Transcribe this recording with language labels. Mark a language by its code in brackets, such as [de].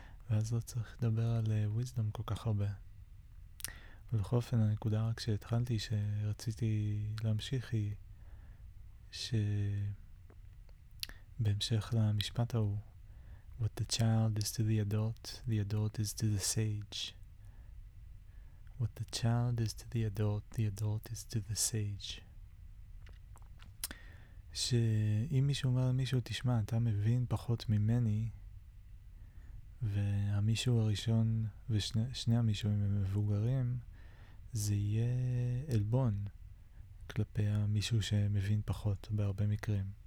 [he] ואז לא צריך לדבר על wisdom כל כך הרבה. ובכל אופן, הנקודה רק שהתחלתי, שרציתי להמשיך, היא שבהמשך למשפט ההוא, [en] what the child is to the adult is to the sage. What the child is to the adult is to the sage. [he] שאם מישהו אומר למישהו, תשמע, אתה מבין פחות ממני, והמישהו הראשון ושני המישהים הם מבוגרים, זה יהיה עלבון כלפי המישהו שמבין פחות בהרבה מקרים.